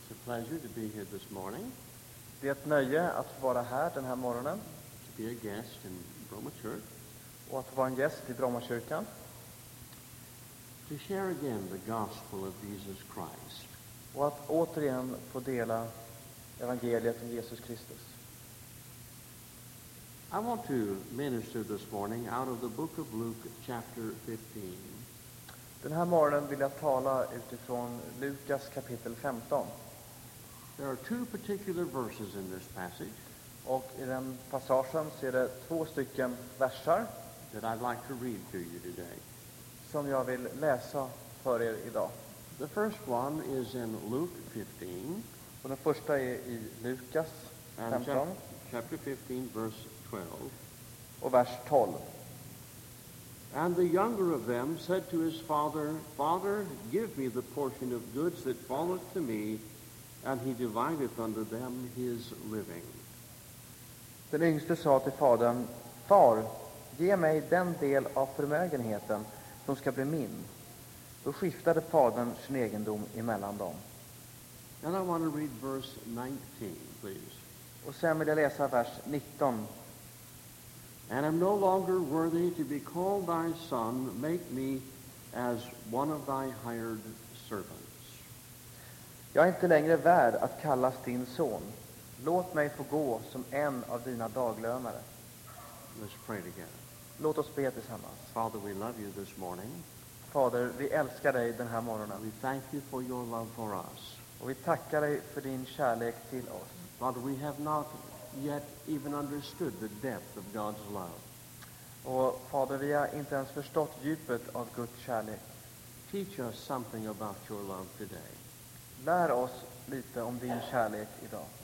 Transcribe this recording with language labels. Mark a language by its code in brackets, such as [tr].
[en] pleasure to be here this morning. [sv] Det är ett nöje att vara här den här morgonen. [en] To be a guest in Bromma Church. [sv] Och att vara en gäst i Bromma kyrkan. [en] To share again the gospel of Jesus Christ. [sv] Och att återigen få dela evangeliet om Jesus Kristus. [en] I want to minister this morning out of the book of Luke chapter 15. [sv] Den här morgonen vill jag tala utifrån Lukas kapitel 15. [en] There are two particular verses in this passage. [sv] Och i den passagen så är det två stycken versar [en] that I'd like to read to you today. [sv] Som jag vill läsa för er idag. [en] The first one is in Luke 15. [sv] Och den första är i Lukas 15. [en] Chapter 15, verse 12. [sv] Och vers 12. [en] And the younger of them said to his father, Father, give me the portion of goods that falleth to me. And he divided unto them his living. [sv] Den yngste sa till fadern, Far, ge mig den del av förmögenheten som ska bli min. Då skiftade fadern sin egendom emellan dem. [en] And I want to read verse 19, please. [sv] Och sen vill jag läsa vers 19. [en] And I'm no longer worthy to be called thy son, make me as one of thy hired servants. [sv] Jag är inte längre värd att kallas din son. Låt mig få gå som en av dina daglönare. [en] Let's pray together. [sv] Låt oss be tillsammans. [en] Father, we love you this morning. [sv] Fader, vi älskar dig den här morgonen. [en] We thank you for your love for us. [sv] Och vi tackar dig för din kärlek till oss. [en] Father, we have not yet even understood the depth of God's love. [sv] Och Fader, vi har inte ens förstått djupet av Guds kärlek. [en] Teach us something about your love today. [sv] Lär oss lite om din kärlek idag.